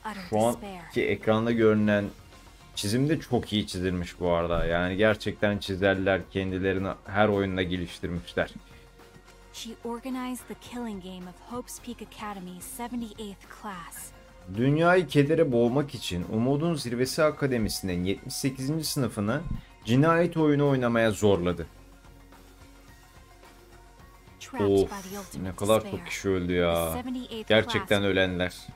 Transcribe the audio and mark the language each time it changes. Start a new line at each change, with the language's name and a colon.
Turkish: Şu anki ekranda görünen çizim de çok iyi çizilmiş bu arada. Yani gerçekten çizerler kendilerini her oyunda geliştirmişler.
English: She organized the killing game of Hope's Peak Academy 78th class.
Turkish: Dünyayı kedere boğmak için Umudun Zirvesi Akademisi'nin 78. sınıfını cinayet oyunu oynamaya zorladı. Of, ne kadar çok kişi öldü ya. Gerçekten ölenler.